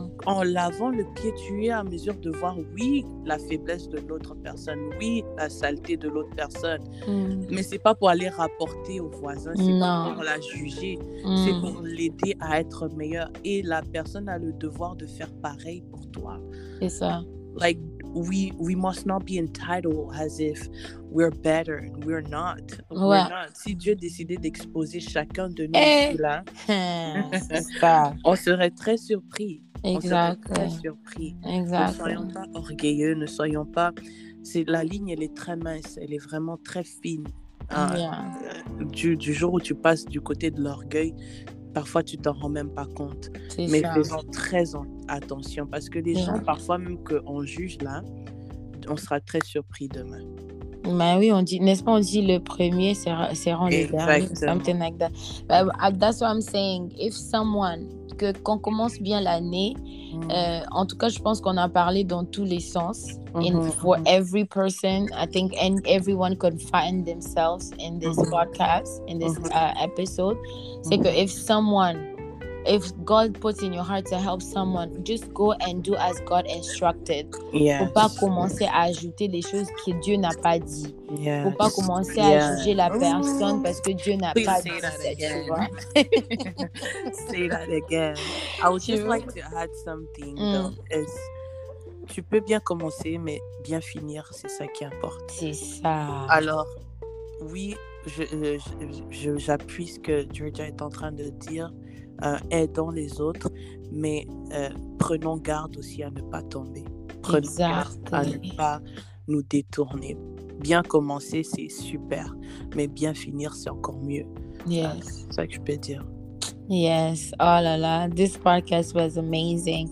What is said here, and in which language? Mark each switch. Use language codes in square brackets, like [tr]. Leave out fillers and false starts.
[fr] En lavant le pied, tu es à mesure de voir, oui, la faiblesse de l'autre personne, oui, la saleté de l'autre personne. Mais ce n'est pas pour aller rapporter au voisin, c'est pas pour la juger. C'est pour l'aider à être meilleur. Et la personne a le devoir de faire pareil pour toi. C'est ça. [en] Like, we must not be entitled as if we're better. We're not. [fr] Ouais. [en] We're not. [fr] Si Dieu décidait d'exposer chacun de nous, on serait très surpris. Exactement. On serait très surpris. Exactement. Ne soyons pas orgueilleux, ne soyons pas... C'est, la ligne, elle est très mince, elle est vraiment très fine. Du jour où tu passes du côté de l'orgueil, parfois tu t'en rends même pas compte. C'est mais ça. Faisons très attention parce que les gens, parfois même qu'on juge là, on sera très surpris demain. Ben oui, on dit, n'est-ce pas, on dit le premier sera le dernier, [en] something like that. But that's what I'm saying. If someone, [fr] qu'on commence bien l'année, en tout cas, je pense qu'on a parlé dans tous les sens. [en] And for every person, I think and everyone can find themselves in this podcast, in this episode. [fr] C'est que [en] if someone, if God puts in your heart to help someone, just go and do as God instructed. Yes. [fr] Faut pas commencer à ajouter les choses que Dieu n'a pas dit. [en] Yes. [fr] Faut pas commencer à juger la personne parce que Dieu n'a pas dit ça. [en] Say that again. I would just like to add something. [fr] Tu peux bien commencer, mais bien finir, c'est ça qui importe. C'est ça. Alors, oui, j'appuie ce que Georgia est en train de dire. Aidons les autres, mais prenons garde aussi à ne pas tomber. Prenons garde à ne pas nous détourner. Bien commencer, c'est super, mais bien finir, c'est encore mieux. [en] Yes. [fr] C'est ça que je peux dire. [en] Yes, [fr] oh là là, [en] this podcast was amazing.